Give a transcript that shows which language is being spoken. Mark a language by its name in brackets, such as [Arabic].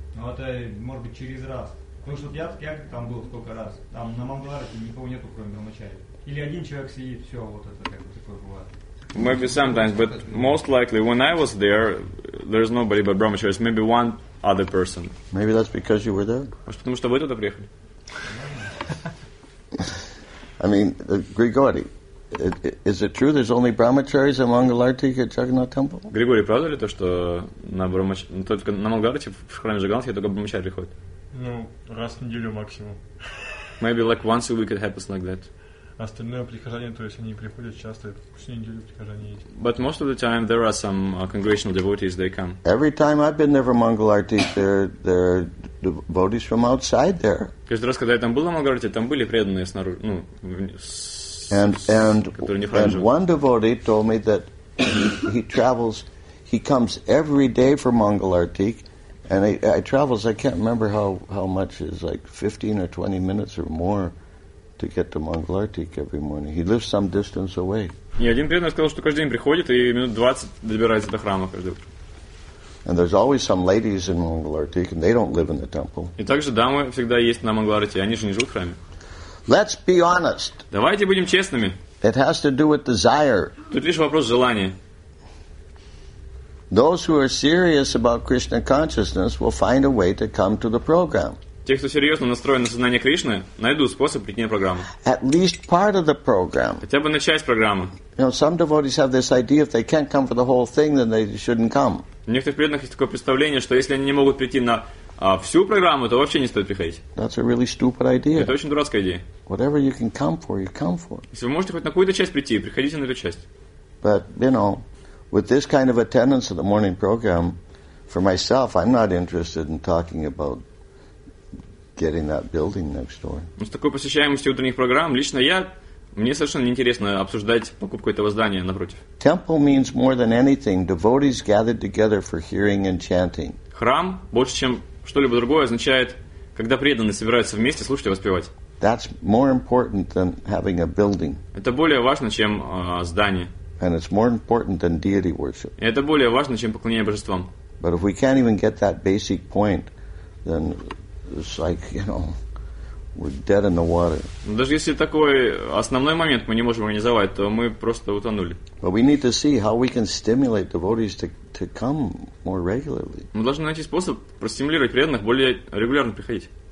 [Russian] Ну это может быть через раз. Потому что я там был сколько раз. Там на Мангаларати никого нету, кроме брамачари. Или один человек сидит, все, вот это как бы такое бывает. [English] Maybe sometimes, but most likely when I was there, there's nobody but brahmacharis. Maybe one other person. Maybe that's because you were there. [Russian] Может, потому что вы туда приехали? [English] I mean, Grigori, is it true there's only brahmacharis in Mangalarti at Jagannath Temple? [Russian] Григорий, правда ли то, что на Мангаларти в храме Джаганатхи только брамачари приходят? Ну, раз в неделю максимум. [English] Maybe like once a week it happens like that. [Russian] Остальное прихожане, то есть они приходят часто, всю неделю прихожане есть. [English] But most of the time there are some congregational devotees, they come. Every time I've been there for Mangalarti, there are devotees from outside there. [Russian] Каждый раз, когда я там был на Мангаларти, там были преданные снаружи, ну, которые не хранят. [English] And one devotee told me that he travels, he comes every day for Mangalarti, and I travels, I can't remember how much, it's like 15 or 20 minutes or more. To get to Mangalarti every morning. He lives some distance away. [Russian] И один преданный сказал, что каждый день приходит и минут 20 добирается до храма каждый утро. [English] And there's always some ladies in Mangalarti, and they don't live in the temple. [Russian] И также дамы всегда есть на Мангаларти, они же не живут в храме. [English] Let's be honest. [Russian] Давайте будем честными. [English] It has to do with desire. [Russian] Тут лишь вопрос желания. [English] Those who are serious about Krishna consciousness will find a way to come to the program. [Russian] Те, кто серьезно настроен на сознание Кришны, найдут способ прийти на программу. [English] At least part of the program. [Russian] Хотя бы на часть программы. [English] You know, some devotees have this idea, if they can't come for the whole thing, then they shouldn't come. [Russian] У некоторых преданных есть такое представление, что если они не могут прийти на всю программу, то вообще не стоит приходить. [English] That's a really stupid idea. [Russian] Это очень дурацкая идея. [English] Whatever you can come for, you come for. [Russian] Если вы можете хоть на какую-то часть прийти, приходите на эту часть. [English] But you know, with this kind of attendance of the morning program, for myself, I'm not interested in talking about. Getting that building next door. [Russian] С такой посещаемостью утренних программ, лично я, мне совершенно неинтересно обсуждать покупку этого здания напротив. [English] Temple means more than anything. Devotees gathered together for hearing and chanting. [Russian] Храм больше, чем что-либо другое, означает, когда преданные собираются вместе слушать и воспевать. [English] That's more important than having a building. [Russian] Это более важно, чем здание. [English] And it's more important than deity worship. [Russian] И это более важно, чем поклонение божествам. [English] But if we can't even get that basic point, then it's like, you know, we're dead in the water. [Russian] Даже если такой основной момент мы не можем организовать, то мы просто утонули. [English] But we need to see how we can stimulate devotees to come more regularly. [Russian] Мы должны найти способ простимулировать преданных более регулярно приходить.